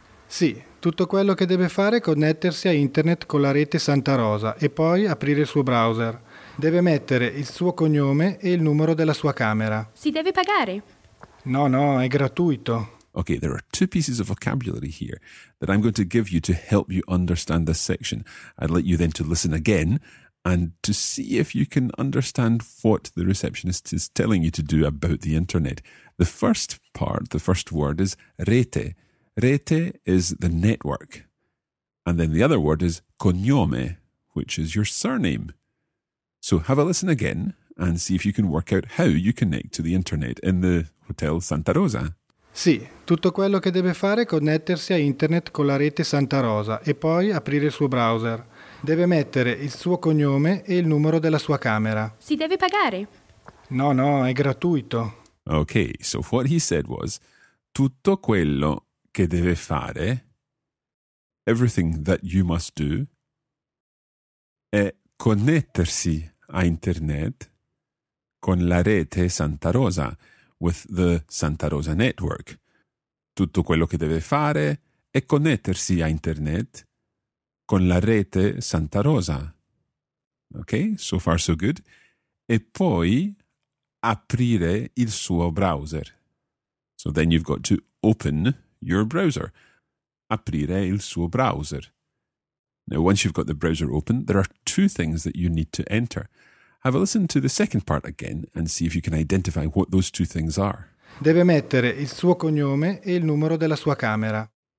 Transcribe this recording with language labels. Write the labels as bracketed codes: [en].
[it] Sì, tutto quello che deve fare è connettersi a internet con la rete Santa Rosa e poi aprire il suo browser. Deve mettere il suo cognome e il numero della sua camera. Si deve pagare? No, no, è gratuito. [en] Okay, there are two pieces of vocabulary here that I'm going to give you to help you understand this section. I'd like you then to listen again and to see if you can understand what the receptionist is telling you to do about the internet. The first part, the first word is rete. Rete is the network. And then the other word is cognome, which is your surname. So have a listen again and see if you can work out how you connect to the internet in the Hotel Santa Rosa. [it] Sì, tutto quello che deve fare è connettersi a internet con la rete Santa Rosa e poi aprire il suo browser. Deve mettere il suo cognome e il numero della sua camera. Si deve pagare? No, è gratuito. [en] Ok, so what he said was, [it] tutto quello che deve fare, [en] everything that you must do, [it] è connettersi a internet con la rete Santa Rosa, [en] with the Santa Rosa network. [it] Tutto quello che deve fare è connettersi a internet con la rete Santa Rosa. [en] Ok, so far so good. [it] E poi aprire il suo browser. [en] So then you've got to open your browser. [it] Aprire il suo browser. [en] Now, once you've got the browser open, there are two things that you need to enter. Have a listen to the second part again and see if you can identify what those two things are. [it] Deve mettere il suo cognome e il numero della sua camera.